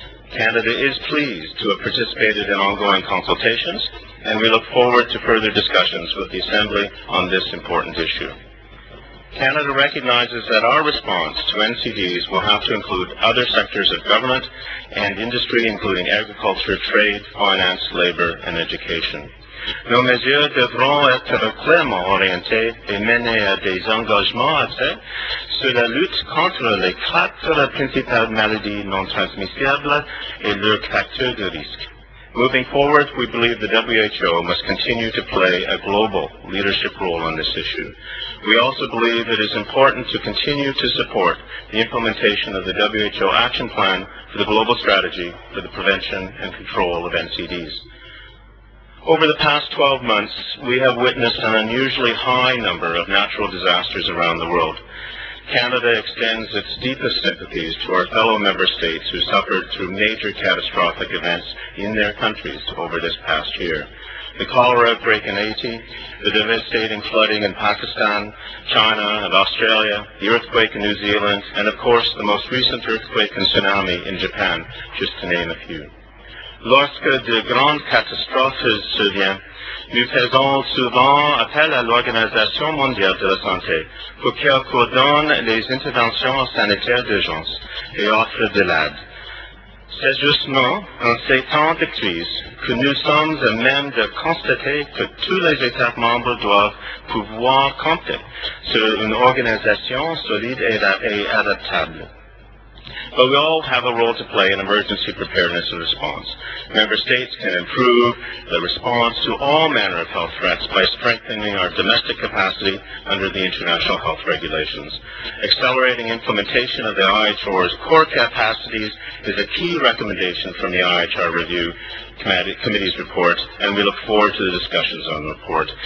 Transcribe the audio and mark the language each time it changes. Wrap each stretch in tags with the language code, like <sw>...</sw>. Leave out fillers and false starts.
<en>Canada is pleased to have participated in ongoing consultations, and we look forward to further discussions with the Assembly on this important issue. Canada recognizes that our response to NCDs will have to include other sectors of government and industry, including agriculture, trade, finance, labor, and education.</en> <fr>Nos mesures devront être clairement orientées et menées à des engagements à fait sur la lutte contre les quatre principales maladies non transmissibles et leurs facteurs de risque.</fr> <en>Moving forward, we believe the WHO must continue to play a global leadership role on this issue. We also believe it is important to continue to support the implementation of the WHO Action Plan for the Global Strategy for the Prevention and Control of NCDs. Over the past 12 months, we have witnessed an unusually high number of natural disasters around the world. Canada extends its deepest sympathies to our fellow member states who suffered through major catastrophic events in their countries over this past year. The cholera outbreak in Haiti, the devastating flooding in Pakistan, China and Australia, the earthquake in New Zealand, and of course the most recent earthquake and tsunami in Japan, just to name a few.</en> <fr>Lorsque de grandes catastrophes surviennent, nous faisons souvent appel à l'Organisation mondiale de la santé pour qu'elle coordonne les interventions sanitaires d'urgence et offre de l'aide. C'est justement en ces temps de crise que nous sommes à même de constater que tous les États membres doivent pouvoir compter sur une organisation solide et adaptable.</fr> <en>but we all have a role to play in emergency preparedness and response. Member states can improve the response to all manner of health threats by strengthening our domestic capacity under the international health regulations. Accelerating implementation of the IHR's core capacities is a key recommendation from the IHR Review Committee's report, and we look forward to the discussions on the report.</en>